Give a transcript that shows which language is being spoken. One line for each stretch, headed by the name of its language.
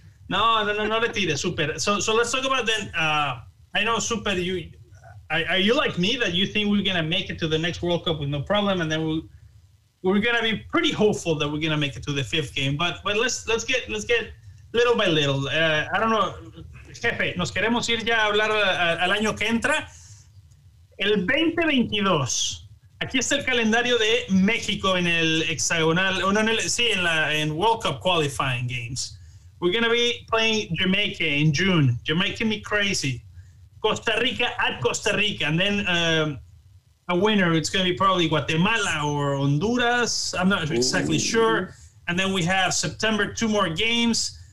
Spanish: No, le tire,
English: Super. So let's talk about then. I know, Super, you are you like me that you think we're going to make it to the next World Cup with no problem, and then we're going to be pretty hopeful that we're going to make it to the fifth game. But let's get little by little. I don't know.
Spanish: Jefe, nos queremos ir ya a hablar al año que entra. El 2022. Aquí está el calendario de México en el hexagonal.
English: En World Cup qualifying games. We're going to be playing Jamaica in June. You're making me crazy. Costa Rica at Costa Rica. And then a winner, it's going to be probably Guatemala or Honduras. I'm not exactly sure. And then we have September, two more games.